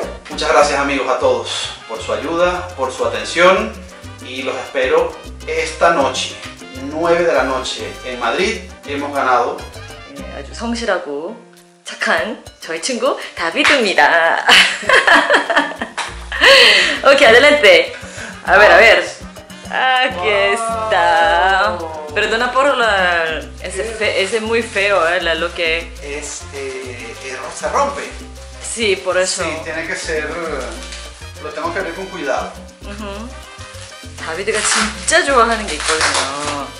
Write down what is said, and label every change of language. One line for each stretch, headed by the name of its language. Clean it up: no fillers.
Spanish: Muchas gracias, amigos, a todos por su ayuda, por su atención, y los espero esta noche, 9 de la noche en Madrid. Hemos ganado.
Korean: 아주 성실하고 착한 저희 친구 다비드입니다.
Spanish: Okay, adelante. A ver, a ver. Aquí está. Perdona por la, ese muy feo, lo que es, se rompe. Sí, por eso. Sí, tiene que ser. Lo tengo que abrir con cuidado.
Korean: David가 진짜 좋아하는 게 있거든요.